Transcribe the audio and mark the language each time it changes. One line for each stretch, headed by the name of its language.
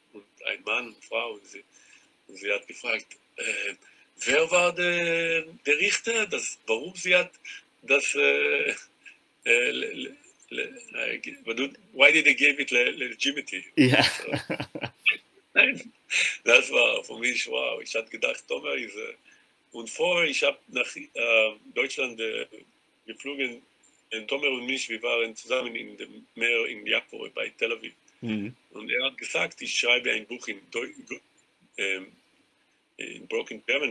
German: und ein Mann und Frau. Und sie hat gefragt, wer war der Richter? Warum sie hat das?
English: Why did they give it legitimacy? So.
German: Ja. Nein, das war für mich, wow. Ich hatte gedacht, Tomer ist. Und vorher, ich habe nach Deutschland geflogen. Tomer und mich, wir waren zusammen in dem Meer in Jaffa bei Tel Aviv. Und er hat gesagt, ich schreibe ein Buch in Broken German.